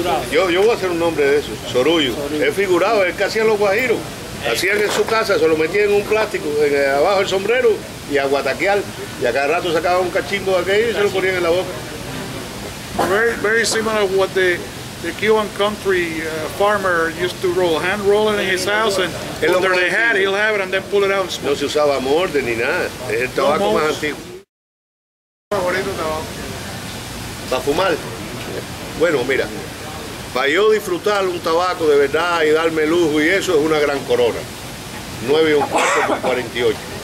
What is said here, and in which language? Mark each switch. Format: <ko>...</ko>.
<es>Yo voy a hacer un nombre de eso, Sorullo. Es figurado, es el que hacían los guajiros. Hacían en su casa, se lo metían en un plástico, abajo del sombrero, y a guataquear. Y a cada rato sacaban un cachimbo de aquello y se lo ponían en la boca.</es> <en>Very, very similar to what the Cuban country farmer used to roll. Hand roll it in his house and under the hat, he'll have it and then pull it out.</en> <es>No se usaba morde ni nada, es el tabaco más antiguo. ¿Para fumar? Bueno, mira, para yo disfrutar un tabaco de verdad y darme lujo y eso es una gran Corona. 9 y un cuarto por 48.</es>